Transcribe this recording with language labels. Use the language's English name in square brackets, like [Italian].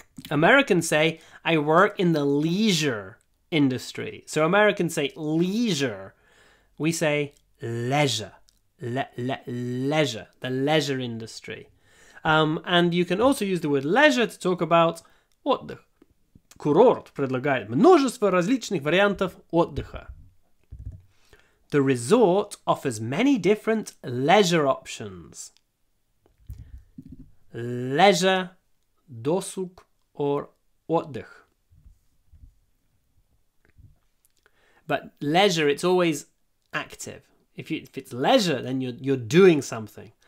[English] Americans say, I work in the leisure industry. So Americans say leisure. We say leisure. Leisure. The leisure industry. And you can also use the word leisure to talk about отдых. [Russian] Курорт предлагает множество различных вариантов отдыха. [English] The resort offers many different leisure options. Leisure, [Russian] досуг or отдых. [English] But leisure, it's always active. If it's leisure, then you're doing something.